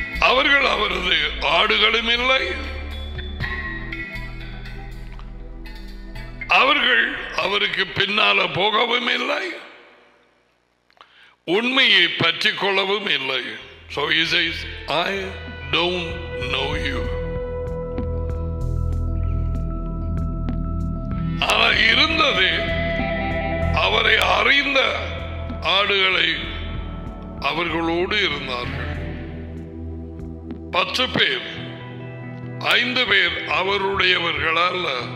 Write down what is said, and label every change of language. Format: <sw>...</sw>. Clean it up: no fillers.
<ta>அவர்கள் அவரது ஆடுகளும் இல்லை, அவர்கள் அவருக்கு பின்னால போகவும் இல்லை, உண்மையை பற்றி கொள்ளவும் இல்லை.</ta> <en>So he says, I don't know you.</en> <ta>ஆனா இருந்தது அவரை அறிந்த ஆடுகளை அவர்களோடு இருந்தார்கள். 10 பேர், 5 பேர் அவருடையவர்கள் அல்ல.</ta>